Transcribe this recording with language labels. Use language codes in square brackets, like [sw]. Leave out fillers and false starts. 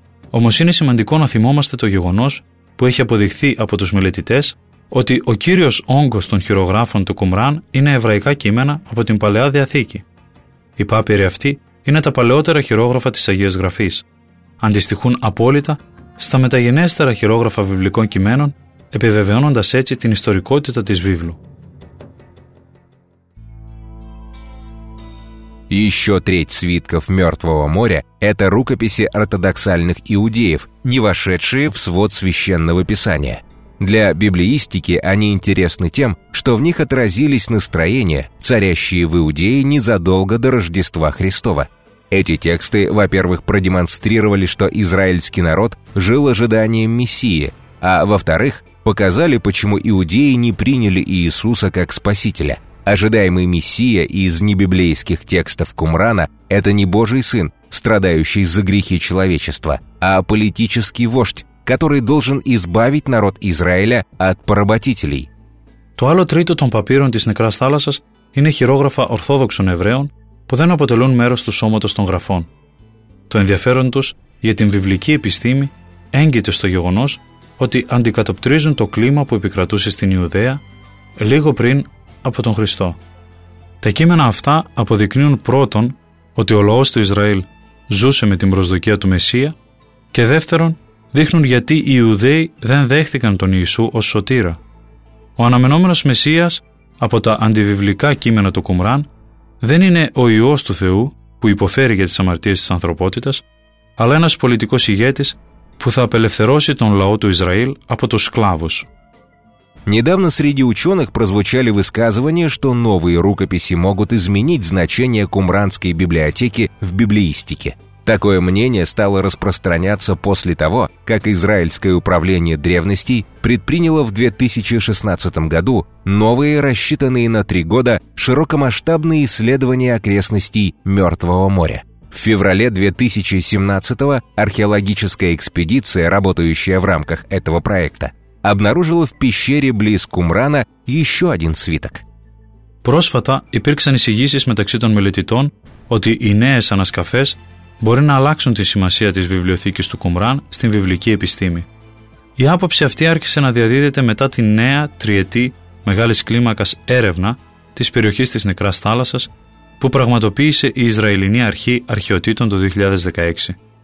[el] Όμως είναι σημαντικό να θυμόμαστε το γεγονός που έχει αποδειχθεί από τους μελετητές ότι ο κύριος όγκος των χειρογράφων του Κουμράν είναι εβραϊκά κείμενα από την Παλαιά Διαθήκη. Οι πάπυροι αυτοί είναι τα παλαιότερα χειρόγραφα της Αγίας Γραφής. Αντιστοιχούν απόλυτα στα μεταγενέστερα χειρόγραφα βιβλικών κειμένων, επιβεβαιώνοντας έτσι την ιστορικότητα της βίβλου. [ru] Еще треть свитков Мертвого моря – это рукописи ортодоксальных иудеев, не вошедшие в свод Священного Писания. Для библеистики они интересны тем, что в них отразились настроения, царящие в Иудее незадолго до Рождества Христова. Эти тексты, во-первых, продемонстрировали, что израильский народ жил ожиданием Мессии, а во-вторых, показали, почему иудеи не приняли Иисуса как Спасителя. Ожидаемый Мессия из небиблейских текстов Кумрана – это не Божий Сын, страдающий за грехи человечества, а политический вождь, который должен избавить народ Израиля от поработителей. [el] То άλλο τρίτο των παπύρων της Νεκράς Θάλασσας είναι χειρόγραφα ορθόδοξων Εβραίων που δεν αποτελούν μέρος του σώματος των γραφών. Το ενδιαφέρον τους για την βιβλική επιστήμη έγκυται στο γεγονός ότι αντικατοπτρίζουν το κλίμα που επικρατούσε στην Ιουδαία λίγο πριν από τον Χριστό. Τα κείμενα αυτά αποδεικνύουν πρώτον ότι ο λαός του Ισραήλ ζούσε με την προσδοκία του Μεσσία και δεύτερον δείχνουν γιατί οι Ιουδαίοι δεν δέχτηκαν τον Ιησού ως σωτήρα. Ο αναμενόμενος Μεσσίας από τα αντιβιβλικά κείμενα του Κουμράν δεν είναι ο Υιός του Θεού που υποφέρει για τις αμαρτίες της ανθρωπότητας, αλλά ένας πολιτικός ηγέτης που θα απελευθερώσει τον λαό του Ισραήλ από τους σκλάβους. [ru] Недавно среди ученых прозвучали высказывания, что новые рукописи могут изменить значение Кумранской библиотеки в библеистике. Такое мнение стало распространяться после того, как Израильское управление древностей предприняло в 2016 году новые, рассчитанные на 3 года, широкомасштабные исследования окрестностей Мертвого моря. В феврале 2017 археологическая экспедиция, работающая в рамках этого проекта, обнаружила в пещере близ Кумрана еще один свиток. [el] Πρόσφατα υπήρξαν εισηγήσεις μεταξύ των μελετητών ότι οι νέες ανασκαφές μπορεί να αλλάξουν τη σημασία της βιβλιοθήκης του Κουμράν στην βιβλική επιστήμη. Η άποψη αυτή άρχισε να διαδίδεται μετά τη νέα τριετή μεγάλης κλίμακας έρευνα της περιοχής της Νεκράς Θάλασσας που πραγματοποίησε η Ισραηλινή Αρχή Αρχαιοτήτων το 2016.